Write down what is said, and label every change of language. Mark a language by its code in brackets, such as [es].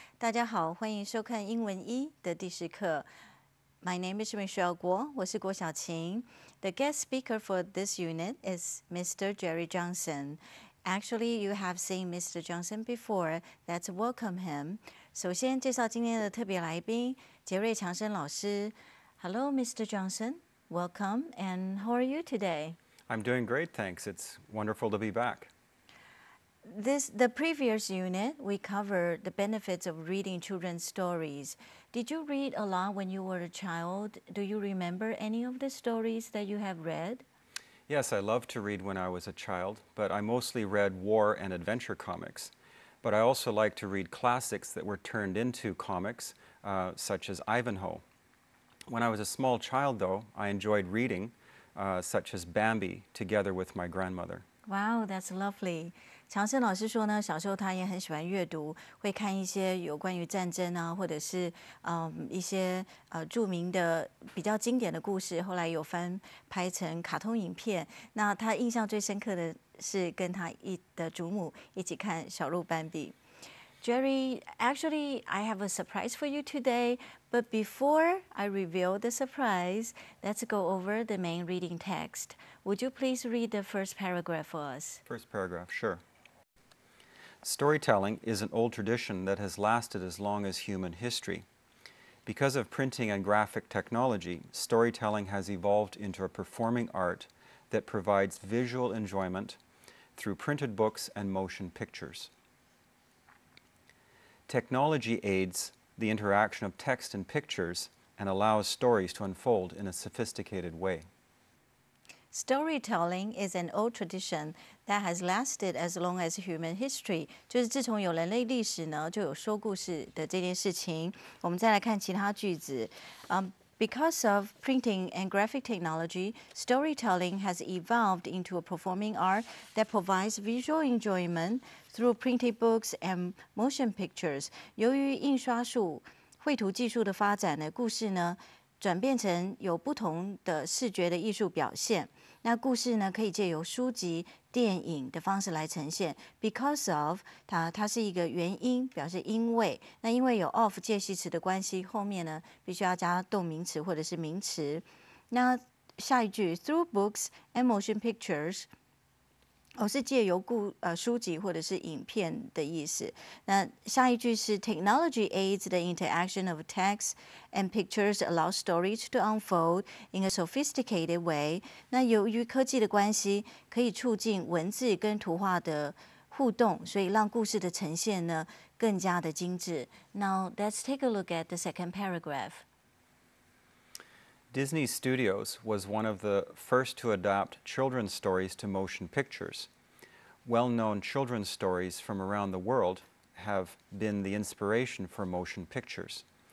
[zh] 大家好，欢迎收看英文一的第十课。 [en] My name is Michelle Guo. [zh] 我是郭小晴。 [en] The guest speaker for this unit is Mr. Jerry Johnson. Actually, you have seen Mr. Johnson before. Let's welcome him. [zh] 首先介绍今天的特别来宾，杰瑞强生老师。 [en] Hello, Mr. Johnson. Welcome. And how are you today? I'm doing great, thanks. It's wonderful to be back. The previous unit, we covered the benefits of reading children's stories. Did you read a lot when you were a child? Do you remember any of the stories that you have read? Yes, I loved to read when I was a child, but I mostly read war and adventure comics. But I also like to read classics that were turned into comics, such as Ivanhoe. When I was a small child, though, I enjoyed readingsuch as Bambi, together with my grandmother. Wow, that's lovely. [zh] 强生老师说呢，小时候他也很喜欢阅读，会看一些有关于战争啊，或者是一些著名的比较经典的故事，后来有翻拍成卡通影片。那他印象最深刻的是跟他的祖母一起看小鹿斑比。 [en] Jerry, actually, I have a surprise for you today, but before I reveal the surprise, let's go over the main reading text. Would you please read the first paragraph for us? First paragraph, sure. Storytelling is an old tradition that has lasted as long as human history. Because of printing and graphic technology, storytelling has evolved into a performing art that provides visual enjoyment through printed books and motion pictures. Technology aids the interaction of text and pictures and allows stories to unfold in a sophisticated way. Storytelling is an old tradition that has lasted as long as human history. [zh] 就是自从有人类历史呢，就有说故事的这件事情。我们再来看其他句子。 [en] Because of printing and graphic technology, storytelling has evolved into a performing art that provides visual enjoyment through printed books and motion pictures. [zh] 由于印刷术、绘图技术的发展呢，故事呢转变成有不同的视觉的艺术表现。那故事呢可以借由书籍、电影的方式来呈现。 [en] Because of [zh] 它是一个原因，表示因为。那因为有 of 介系词的关系，后面呢必须要加动名词或者是名词。那下一句 [en] through books and motion pictures。 [zh] 是借由书籍或者是影片的意思。那下一句是 [en] Technology aids the interaction of text and pictures allow stories to unfold in a sophisticated way. [zh] 那由于科技的关系可以促进文字跟图画的互动，所以让故事的呈现呢更加的精致。 [en] Now, let's take a look at the second paragraph. Disney Studios was one of the first to adapt children's stories to motion pictures. Well-known children's stories from around the world have been the inspiration for motion pictures.